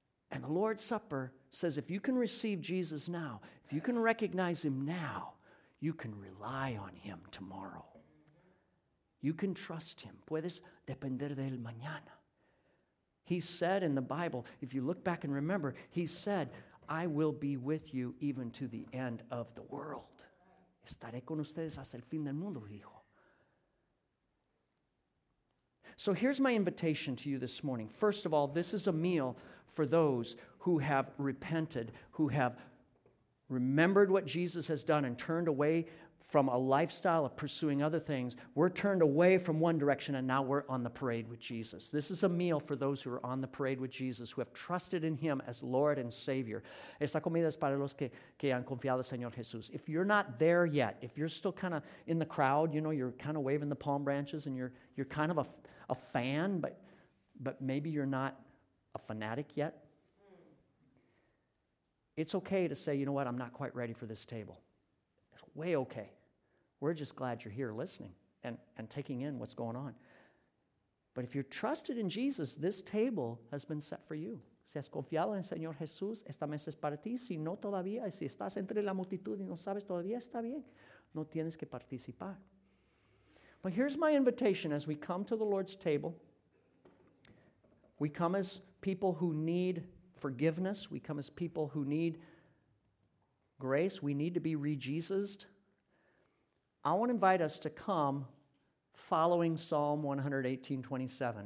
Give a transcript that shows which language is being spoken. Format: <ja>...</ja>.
<en>And the Lord's Supper says, if you can receive Jesus now, if you can recognize him now, you can rely on him tomorrow. You can trust him.</en> <es>Puedes depender de él mañana.</es> <en>He said in the Bible, if you look back and remember, he said, I will be with you even to the end of the world.</en> <es>Estaré con ustedes hasta el fin del mundo, hijo.</es> <en>So here's my invitation to you this morning. First of all, this is a meal for those who have repented, who have remembered what Jesus has done and turned away from a lifestyle of pursuing other things. We're turned away from one direction and now we're on the parade with Jesus. This is a meal for those who are on the parade with Jesus, who have trusted in him as Lord and Savior.</en> <es>Esta comida es para los que han confiado en Señor Jesús.</es> <en>If you're not there yet, if you're still kind of in the crowd, you know, you're kind of waving the palm branches and you're kind of a fan, but maybe you're not a fanatic yet. It's okay to say, you know what, I'm not quite ready for this table. It's way okay. We're just glad you're here listening and taking in what's going on. But if you're trusted in Jesus, this table has been set for you.</en> <es>Si has confiado en Señor Jesús, esta mesa es para ti. Si no todavía, si estás entre la multitud y no sabes todavía, está bien. No tienes que participar.</es> <en>But here's my invitation as we come to the Lord's table. We come as people who need forgiveness. We come as people who need grace. We need to be re-Jesused. I want to invite us to come following Psalm 118:27.</en>